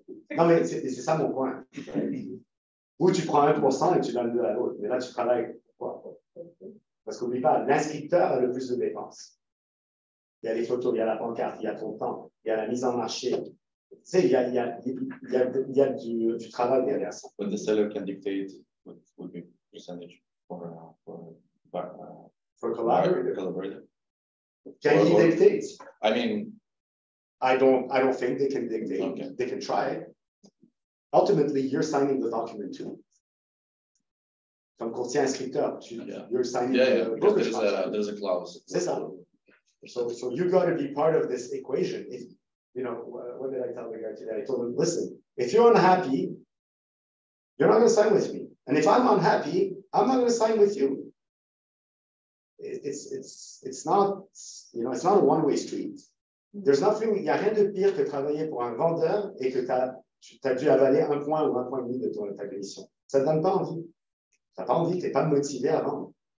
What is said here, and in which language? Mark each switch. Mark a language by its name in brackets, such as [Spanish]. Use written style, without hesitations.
[French] Non, mais c'est ça mon point. Ou tu prends 1% et tu donnes 2 à l'autre. Mais là, tu travailles. Pourquoi? Parce qu'oublie pas, l'inscripteur a le plus de dépenses. Il y a les photos, il y a la pancarte, il y a ton temps, il y a la mise en marché. Tu sais, il y a du travail derrière ça. [English] But the seller can dictate what would be percentage for collaborator. Can he dictate? I mean, I don't think they can dictate. Okay. They can try it. Ultimately, you're signing the document too. [French] Comme courtier inscripteur, [English] you're signing there's a clause. [French] C'est ça. [English] So you got to be part of this equation. If, you know, what did I tell the guy today? I told him, listen, if you're unhappy, you're not going to sign with me. And if I'm unhappy, I'm not going to sign with you. It's not, you know, it's not a one-way street. There's nothing, [French] il n'y a rien de pire que travailler pour un vendeur et que tu as dû avaler un point ou un point et demi de ton, ta commission. Ça ne donne pas envie. Tu n'as pas envie, tu n'es pas motivé à vendre.